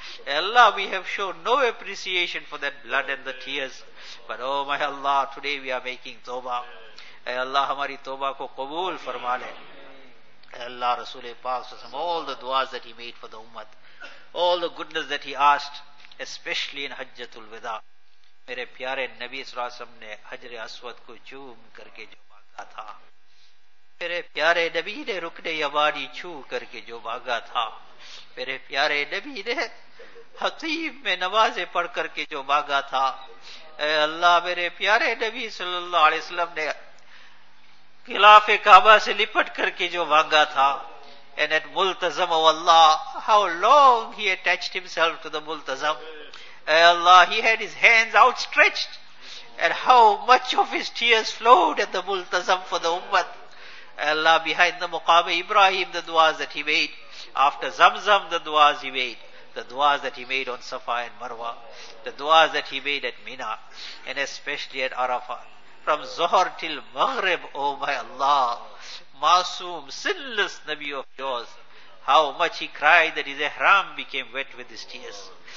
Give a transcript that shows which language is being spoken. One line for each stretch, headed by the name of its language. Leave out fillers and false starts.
English: Allah, we have shown no appreciation for that blood and the tears, but oh my Allah, today we are making tawbah.
Urdu: Ay Allah, hamari tawbah ko qubool farma le.
English: Ay Allah, Rasul-e Paak, all the duas that he made for the ummat, all the goodness that he asked, especially in Hajjatul Wida.
Urdu: میرے پیارے نبی صلی اللہ علیہ وسلم نے حجر اسود کو چوم کر کے جو مانگا تھا، میرے پیارے نبی نے رکن یمانی چھو کر کے جو مانگا تھا، میرے پیارے نبی نے حطیم میں نماز پڑھ کر کے جو مانگا تھا، اے اللہ میرے پیارے نبی صلی اللہ علیہ وسلم نے خلاف کعبہ سے لپٹ کر کے جو مانگا تھا،
English: and at ملتزم of Allah, how long he attached himself to the ملتزم. Allah, he had his hands outstretched, and how much of his tears flowed at the multazam for the ummat. Allah, behind the maqam Ibrahim, the duas that he made, after Zamzam, the duas he made, the duas that he made on Safa and Marwa, the duas that he made at Mina, and especially at Arafat, from Zuhr till Maghrib, oh my Allah, masoom, sinless Nabi of yours, how much he cried that his ihram became wet with his tears.